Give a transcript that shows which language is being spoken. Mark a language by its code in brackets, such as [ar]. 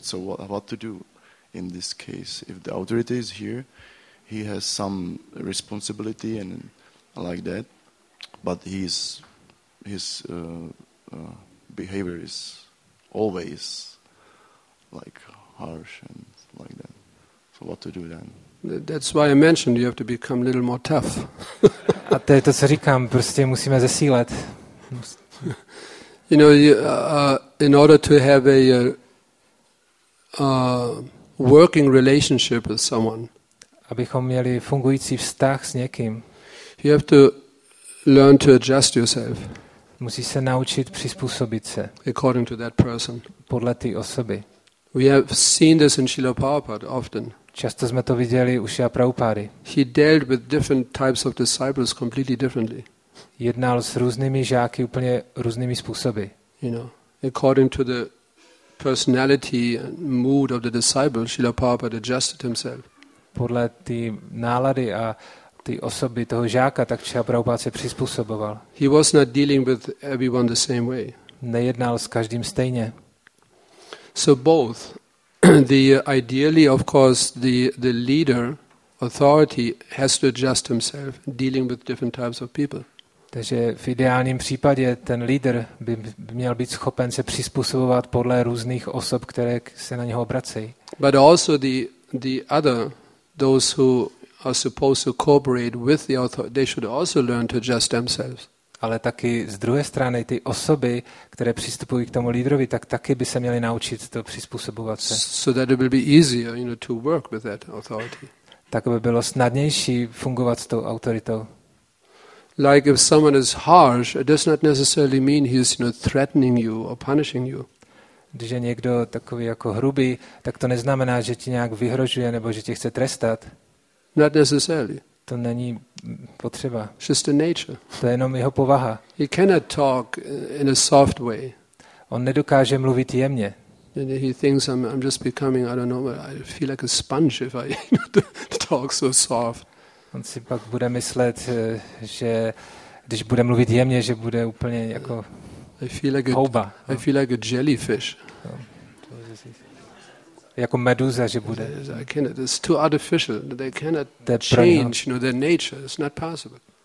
[en] So what to do in this case? If the authority is here, he has some responsibility and like that, but his behavior is always like harsh and like that. So what to do then? That's why I mentioned you have to become a little more tough. [cs] A to je to, co říkám, prostě musíme zesílet. [en] You know, in order to have a working relationship with someone, [cs] abychom měli fungující vztah s někým, [en] you have to learn to adjust yourself. [cs] Musíš se naučit přizpůsobit se. [en] According to that person. [cs] Podle té osoby. [en] We have seen this in Srila Prabhupada often. [cs] Často jsme to viděli u Srila Prabhupády. [en] He dealt with different types of disciples completely differently. [cs] Jednal s různými žáky úplně různými způsoby. [en] You know, according to the personality and mood of the disciple, Srila Prabhupada adjusted himself. [cs] Podle té nálady a ty osoby toho žáka, tak Srila Prabhupáda se přizpůsoboval. [en] He was not dealing with everyone the same way. [cs] Nejednal s každým stejně. [en] So both the ideally, of course, the leader authority has to adjust himself dealing with different types of people. [cs] Takže v ideálním případě ten leader by měl být schopen se přizpůsobovat podle různých osob, které se na něho obracejí. [en] But also the other, those who are supposed to cooperate with the authority, they should also learn to adjust themselves. [cs] Ale taky z druhé strany ty osoby, které přistupují k tomu lídrovi, tak taky by se měly naučit to přizpůsobovat se. [en] So that it will be easier, you know, to work with that authority. [cs] Tak by bylo snadnější fungovat s tou autoritou. [en] Like if someone is harsh, it does not necessarily mean he is, you know, threatening you or punishing you. [cs] Když je někdo takový jako hrubý, tak to neznamená, že ti nějak vyhrožuje nebo že tě chce trestat. [en] Not necessarily. [cs] To není potřeba. [en] Just the nature. [cs] To je jenom jeho povaha. [en] He cannot talk in a soft way. [cs] On nedokáže mluvit jemně. [en] And he thinks I'm just becoming, I don't know, I feel like a sponge if I talk so soft. [cs] On si pak bude myslet, že když bude mluvit jemně, že bude úplně jako [en] I feel like [cs] houba. [en] I feel like a jellyfish. [cs] Jako meduza, že bude. [en] I cannot, it's too artificial. They cannot change, you know, their nature. It's not possible.